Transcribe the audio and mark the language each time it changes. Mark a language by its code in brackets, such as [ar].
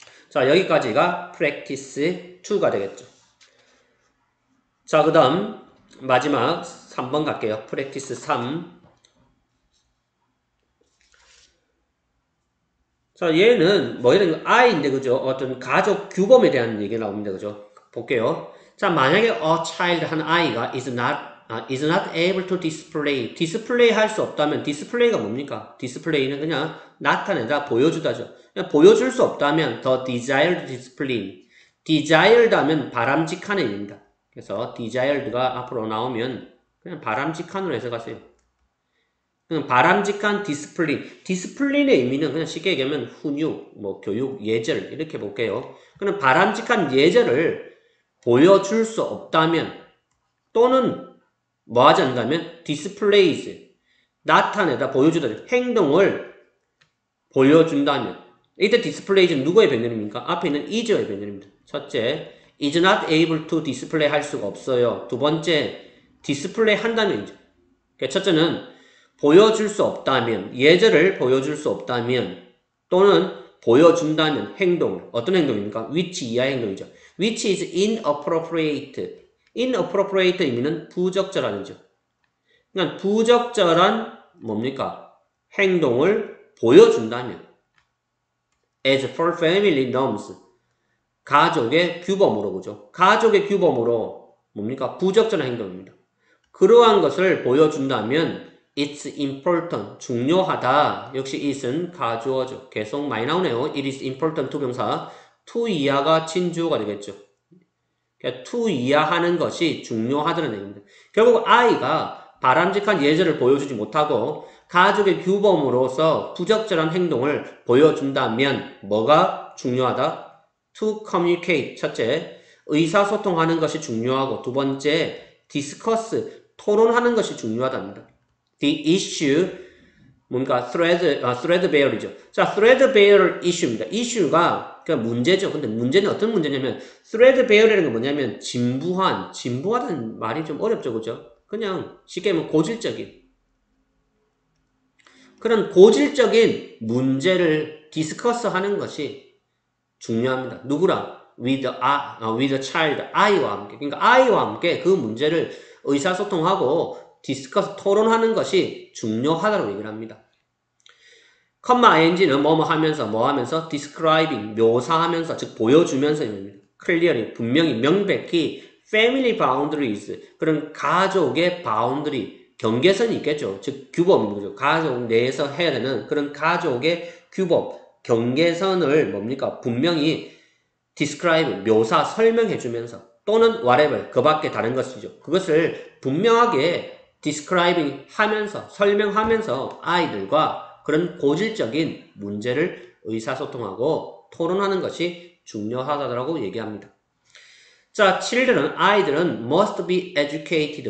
[ko] 자, 여기까지가 프랙티스 2가 되겠죠. 자, 그 다음 마지막 3번 갈게요. 프랙티스 3. 자, 얘는 뭐 이런 아이인데 그죠? 어떤 가족 규범에 대한 얘기가 나옵니다. 그죠? 볼게요. [en] 자, 만약에 a child [ko] 한 아이가 [en] is not able to display. [ko] display 할수 없다면 display가 뭡니까? display는 그냥 나타내다 보여주다죠. 그냥 보여줄 수 없다면 [en] the desired display. [ko] desired 하면 바람직한 애입니다. 그래서 desired가 앞으로 나오면 그냥 바람직한으로 해석하세요. 그냥 바람직한 discipline. discipline의 의미는 그냥 쉽게 얘기하면 훈육, 뭐 교육, 예절 이렇게 볼게요. 그냥 바람직한 예절을 보여줄 수 없다면 또는 뭐 하지 않는다면 displays. 나타내다 보여주다. 행동을 보여준다면. 이때 displays는 누구의 변경입니까? 앞에 있는 is의 변경입니다. 첫째. is not able to display 할 수가 없어요. 두 번째, display 한다면이죠. 첫째는 보여줄 수 없다면, 예제를 보여줄 수 없다면, 또는 보여준다면 행동을. 어떤 행동입니까? which 이하 행동이죠. [en] which is inappropriate. [ko] inappropriate 의미는 부적절한 거죠. 그러니까 부적절한 뭡니까? 행동을 보여준다면. [en] as for family norms. [ko] 가족의 규범으로 보죠. 가족의 규범으로 뭡니까? 부적절한 행동입니다. 그러한 것을 보여준다면 [en] it's important, [ko] 중요하다. 역시 it은 가주어죠. 계속 많이 나오네요. [en] it is important to 명사. [ko] to 이하가 진주어가 되겠죠. 그러니까 to 이하하는 것이 중요하다는 얘기입니다. 결국 아이가 바람직한 예절을 보여주지 못하고 가족의 규범으로서 부적절한 행동을 보여준다면 뭐가 중요하다? [en] To communicate, [ko] 첫째, 의사소통하는 것이 중요하고, 두 번째, discuss, 토론하는 것이 중요하답니다. The issue, 뭔가 threadbare이죠. 자, threadbare issue입니다. issue가 그냥 문제죠. 근데 문제는 어떤 문제냐면, threadbare라는 게 뭐냐면, 진부하다는 말이 좀 어렵죠, 그죠? 그냥 쉽게 말하면 고질적인. 그런 고질적인 문제를 discuss 하는 것이 중요합니다. 누구랑? [en] with the child, [ko] 아이와 함께. 그러니까 아이와 함께 그 문제를 의사소통하고 디스커스 토론하는 것이 중요하다고 얘기를 합니다. 컴마 ing는 뭐뭐 하면서, 뭐 하면서, describing, 묘사하면서, 즉, 보여주면서입니다. clearly, 분명히, 명백히, family boundaries, 그런 가족의 boundary, 경계선이 있겠죠. 즉, 규범이죠. 가족 내에서 해야 되는 그런 가족의 규범, 경계선을 뭡니까? 분명히 describe, 묘사, 설명해주면서, 또는 whatever, 그 밖에 다른 것이죠. 그것을 분명하게 describing 하면서, 설명하면서 아이들과 그런 고질적인 문제를 의사소통하고 토론하는 것이 중요하다고 얘기합니다. [en] 자, children은, [ko] 아이들은 [en] must be educated.